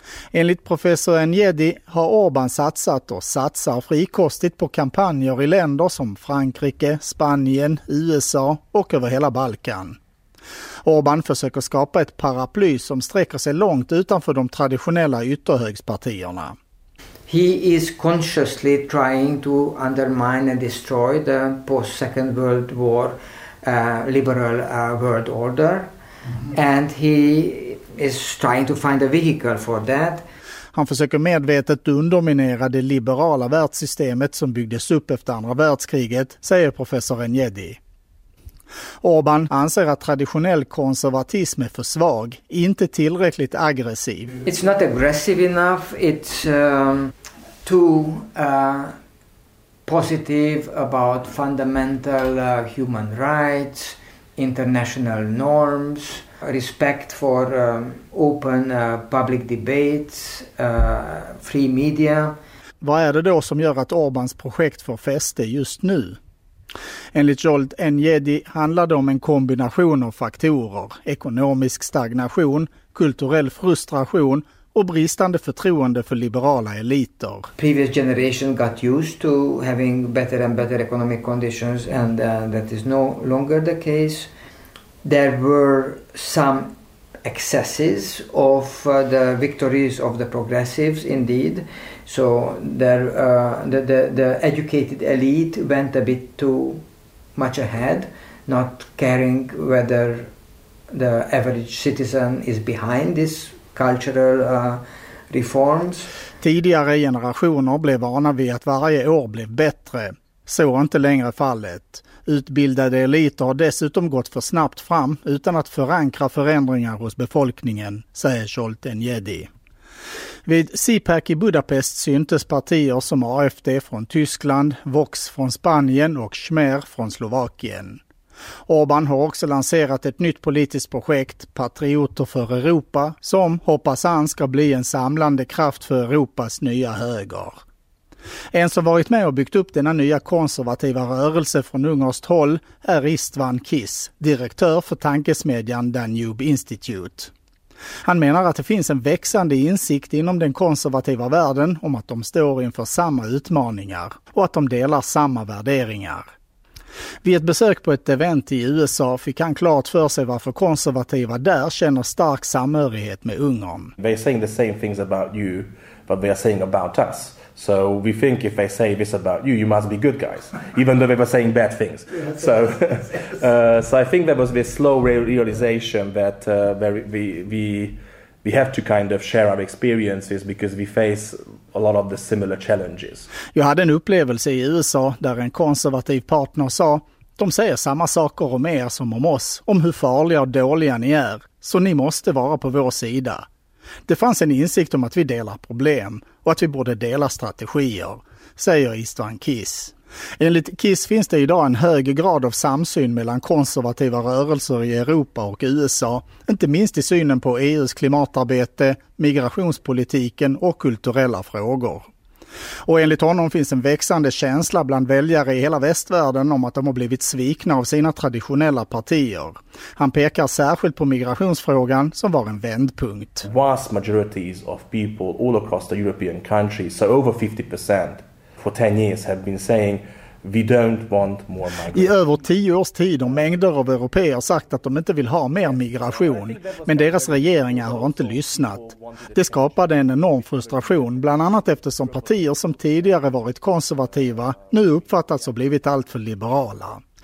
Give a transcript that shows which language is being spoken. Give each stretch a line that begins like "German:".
Swedish: Enligt professor Enyedi har Orbán satsat och satsar frikostigt på kampanjer i länder som Frankrike, Spanien, USA och över hela Balkan. Orbán försöker skapa ett paraply som sträcker sig långt utanför de traditionella ytterhögspartierna.
English: He is consciously trying to undermine and destroy the post-second world war liberal world order. And he is trying to find a vehicle for that.
Swedish: Han försöker medvetet underminera det liberala världssystemet som byggdes upp efter andra världskriget, säger professor Enjedi. Orbán anser att traditionell konservatism är för svag, inte tillräckligt aggressiv.
English: It's not aggressive enough. It's too positive about fundamental human rights, international norms, respect for open public debates, free media.
Swedish: Vad är det då som gör att Orbáns projekt får fäste just nu? Enligt Jolt Enjedi handlar det om en kombination av faktorer, ekonomisk stagnation, kulturell frustration och bristande förtroende för liberala eliter.
English: Previous generation got used to having better and better economic conditions and that is no longer the case. There were some excesses of the victories of the progressives indeed. So the educated elite went a bit too much ahead, not caring whether the average citizen is behind this cultural reforms.
Swedish: Tidigare generationer blev vana vid att varje år blev bättre. Så är inte längre fallet. Utbildade eliter har dessutom gått för snabbt fram utan att förankra förändringar hos befolkningen, säger Jolt Enjedi. Vid CPAC i Budapest syntes partier som AFD från Tyskland, Vox från Spanien och Schmer från Slovakien. Orbán har också lanserat ett nytt politiskt projekt, Patrioter för Europa, som hoppas han ska bli en samlande kraft för Europas nya höger. En som varit med och byggt upp denna nya konservativa rörelse från ungerskt håll är István Kiss, direktör för tankesmedjan Danube Institute. Han menar att det finns en växande insikt inom den konservativa världen om att de står inför samma utmaningar och att de delar samma värderingar. Vid ett besök på ett event i USA fick han klart för sig varför konservativa där känner stark samhörighet med Ungern.
English: They are saying the same things about you, but they are saying about us. So we think if they say this about you, you must be good guys, even though they were saying bad things. So I think there was this slow realization that we have to kind of share our experiences because we face a lot of the similar challenges.
Swedish: Jag hade en upplevelse i USA där en konservativ partner sa, de säger samma saker om er som om oss, om hur farliga och dåliga ni är, så ni måste vara på vår sida. Det fanns en insikt om att vi delar problem och att vi borde dela strategier, säger István Kiss. Enligt Kiss finns det idag en hög grad av samsyn mellan konservativa rörelser i Europa och USA, inte minst i synen på EUs klimatarbete, migrationspolitiken och kulturella frågor. Och enligt honom finns en växande känsla bland väljare i hela västvärlden om att de har blivit svikna av sina traditionella partier. Han pekar särskilt på migrationsfrågan som var en vändpunkt.
English: Vast majorities of people all across the European countries, so over 50% for 10 years have been saying we don't want more migration.
Swedish: I över 10 års tid har mängder av europeer sagt att de inte vill ha mer migration, men deras regeringar har inte lyssnat. Det skapade en enorm frustration, bland annat eftersom partier som tidigare varit konservativa nu uppfattats och blivit allt för liberala.